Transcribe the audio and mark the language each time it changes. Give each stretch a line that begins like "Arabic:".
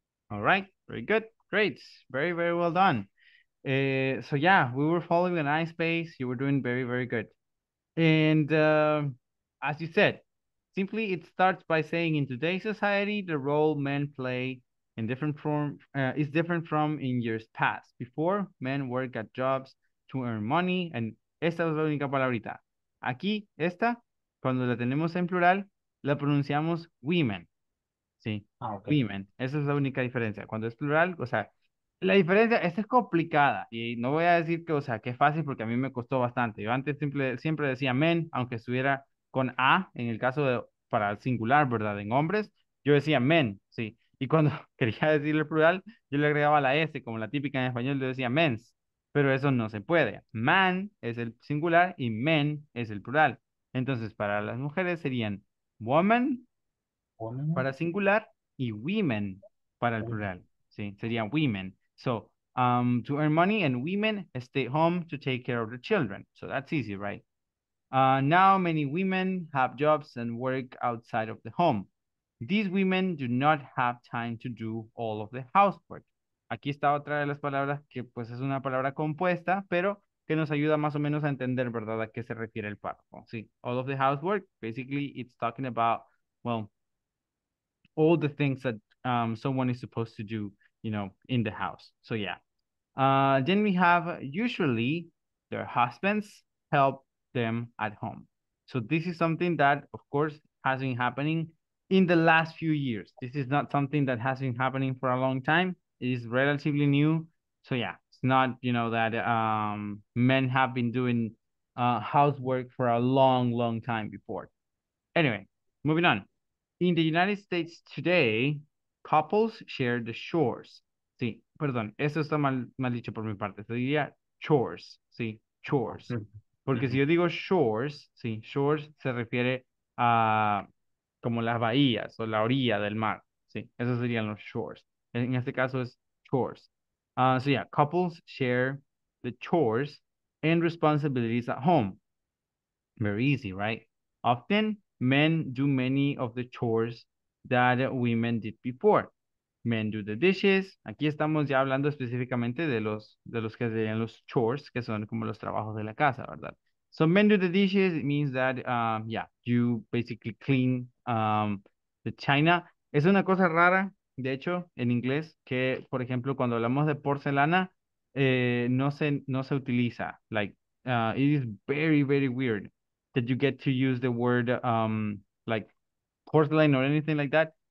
English: All right. Very good. Great. Very, very well done. So yeah, we were following a nice pace. You were doing very, very good. And as you said, simply it starts by saying in today's society, the role men play in different form is different from in years past. Before, men worked at jobs to earn money. And
Spanish: esta es la única palabrita. Aquí, esta, cuando la tenemos en plural, la pronunciamos women. Sí, ah, okay. Women. Esa es la única diferencia. Cuando es plural, o sea, la diferencia, esta es complicada. Y no voy a decir que, o sea, que es fácil porque a mí me costó bastante. Yo antes siempre decía men, aunque estuviera con A, en el caso de, para el singular, ¿verdad? En hombres, yo decía men, sí. Y cuando quería decir el plural, yo le agregaba la S, como la típica en español, yo decía men's. Pero eso no se puede. Man es el singular y men es el plural. Entonces, para las mujeres serían woman, woman para singular y women para el plural. Sí, sería women.
English: So, to earn money and women stay home to take care of the children. So that's easy, right? Now many women have jobs and work outside of the home. These women do not have time to do all of the housework.
Spanish: Aquí está otra de las palabras que pues es una palabra compuesta, pero que nos ayuda más o menos a entender, ¿verdad?, a qué se refiere el párrafo.
English: Sí, all of the housework, basically it's talking about, well, all the things that someone is supposed to do, you know, in the house. So yeah. Then we have usually their husbands help them at home. So this is something that of course has been happening in the last few years. This is not something that has been happening for a long time. It is relatively new. So yeah, it's not, you know, that men have been doing housework for a long, long time before. Anyway, moving on. In the United States today, couples share the chores.
Spanish: Sí, perdón, eso está mal dicho por mi parte. Se diría chores, sí, chores. Porque si yo digo shores, sí, shores se refiere a como las bahías o la orilla del mar. Sí, esos serían los shores. En este caso es chores.
English: So yeah, couples share the chores and responsibilities at home. Very easy, right? Often, men do many of the chores that women did before. Men do the dishes.
Spanish: Aquí estamos ya hablando específicamente de los que serían los chores, que son como los trabajos de la casa, ¿verdad?
English: So men do the dishes, it means that, you basically clean the china.
Spanish: Es una cosa rara. De hecho, en inglés, que por ejemplo, cuando hablamos de porcelana, no se utiliza.
English: Like, it is very, very weird that you get to use the word like porcelain or anything like that.